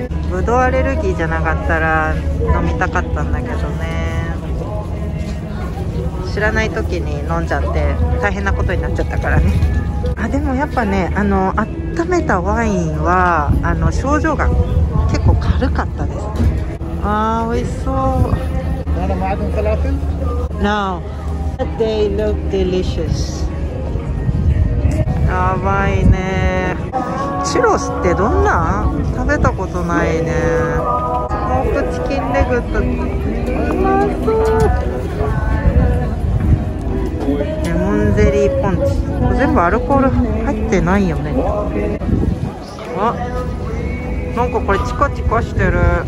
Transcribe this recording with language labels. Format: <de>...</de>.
<ja>ブドウアレルギーじゃなかったら飲みたかったんだけどね。知らない時に飲んじゃって大変なことになっちゃったからね。あ、でもやっぱね、温めたワインは症状が結構軽かったです。あー、美味しそう。</ja> <en>Not a modern falafel? No. They look delicious</en> <ja>やばいね。チュロスってどんな？食べたことないね。スモークチキンレグとか、うまそう。レモンゼリーポンチ。全部アルコール入ってないよね。あ、なんかこれチカチカしてる。</ja>